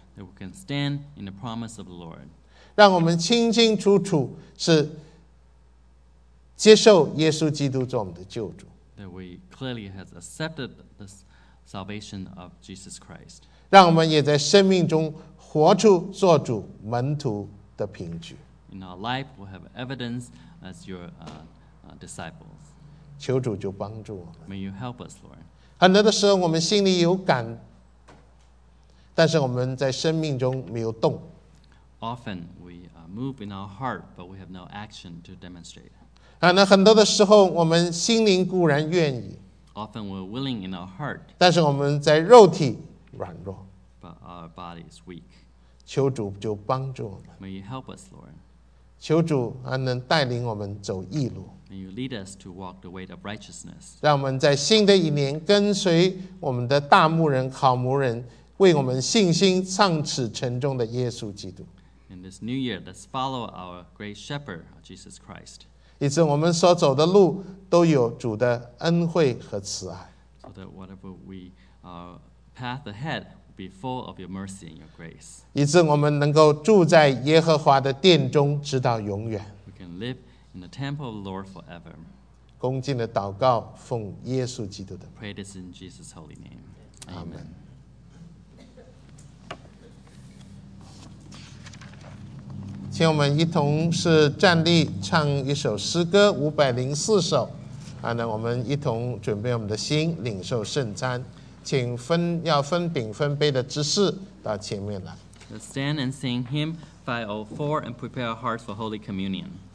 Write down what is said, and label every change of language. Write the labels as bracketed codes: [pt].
[en] that we can stand in the promise of the Lord, [zh] 让我们清清楚楚是接受耶稣基督做我们的救主 [en] that we clearly have accepted the salvation of Jesus Christ, [zh] 让我们也在生命中活出做主门徒的凭据。 [en] In our life, we have evidence as your disciples. [zh] 求主就帮助我们。 [en] May you help us, Lord. [zh] 很多的时候我们心里有感，但是我们在生命中没有动。 [en] Often we move in our heart, but we have no action to demonstrate. [zh] 那很多的时候我们心灵固然愿意。 [en] Often we're willing in our heart. [zh] 但是我们在肉体软弱 [en] but our body is weak. [zh] 求主就帮助我们。 [en] May you help us, Lord. [zh] 求主还能带领我们走义路。 [en] May you lead us to walk the way of righteousness. [zh] 让我们在新的一年跟随我们的大牧人、好牧人，为我们信心上尺沉重的耶稣基督。 [en] In this new year, let's follow our great shepherd, Jesus Christ. [zh] 以致我们所走的路都有主的恩惠和慈爱。 [en] So that whatever we are. Path ahead will be full of your mercy and your grace. [zh] 以致我们能够住在耶和华的殿中直到永远。 [en] We can live in the temple of the Lord forever. [zh] 恭敬的祷告，奉耶稣基督的。 [en] Pray this in Jesus' holy name. Amen. Amen. [zh] 请我们一同是站立唱一首诗歌504首，那我们一同准备我们的心，领受圣餐。请分要分饼分杯的执事到前面来。 [en] Let's stand and sing hymn 504 and prepare our hearts for Holy Communion.